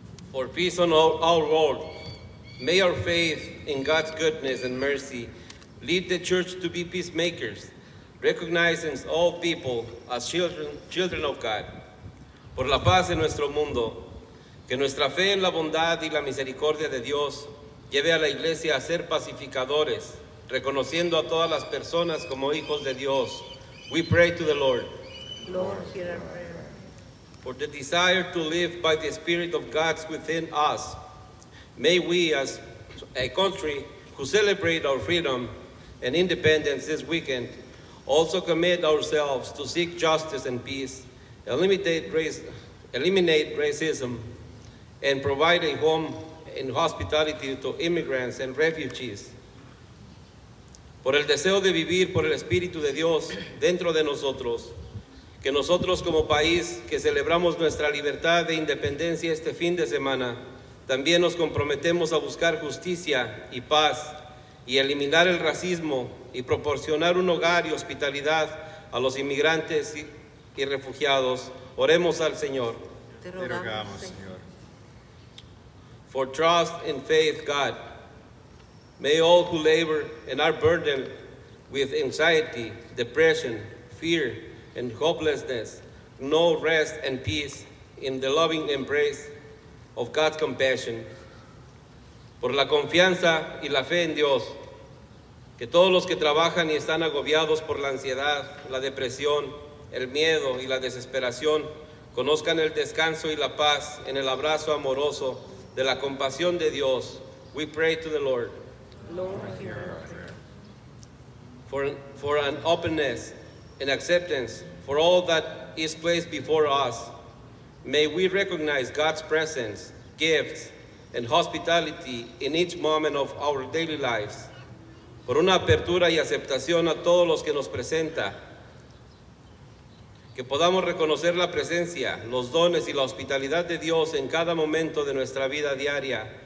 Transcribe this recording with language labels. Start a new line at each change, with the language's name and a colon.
English: For peace on our world, may our faith in God's goodness and mercy lead the church to be peacemakers, recognizing all people as children of God.
Spanish: Por la paz en nuestro mundo, que nuestra fe en la bondad y la misericordia de Dios lleve a la Iglesia a ser pacificadores, reconociendo a todas las personas como hijos de Dios.
English: We pray to the Lord. Lord, hear our prayer. For the desire to live by the Spirit of God within us, may we as a country who celebrate our freedom and independence this weekend, also commit ourselves to seek justice and peace, eliminate racism, and provide a home and hospitality to immigrants and refugees.
Spanish: Por el deseo de vivir por el Espíritu de Dios dentro de nosotros, que nosotros como país que celebramos nuestra libertad e independencia este fin de semana, también nos comprometemos a buscar justicia y paz y eliminar el racismo y proporcionar un hogar y hospitalidad a los inmigrantes y refugiados. Oremos al Señor. Te rogamos, Señor.
English: For trust and faith, God, may all who labor and are burdened with anxiety, depression, fear, and hopelessness know rest and peace in the loving embrace of God's compassion.
Spanish: Por la confianza y la fe en Dios, que todos los que trabajan y están agobiados por la ansiedad, la depresión, el miedo y la desesperación, conozcan el descanso y la paz en el abrazo amoroso de la compasión de Dios.
English: We pray to the Lord. Lord, hear our prayer. For an openness and acceptance for all that is placed before us, may we recognize God's presence, gifts, and hospitality in each moment of our daily lives.
Spanish: Por una apertura y aceptación a todos los que nos presenta, que podamos reconocer la presencia, los dones y la hospitalidad de Dios en cada momento de nuestra vida diaria.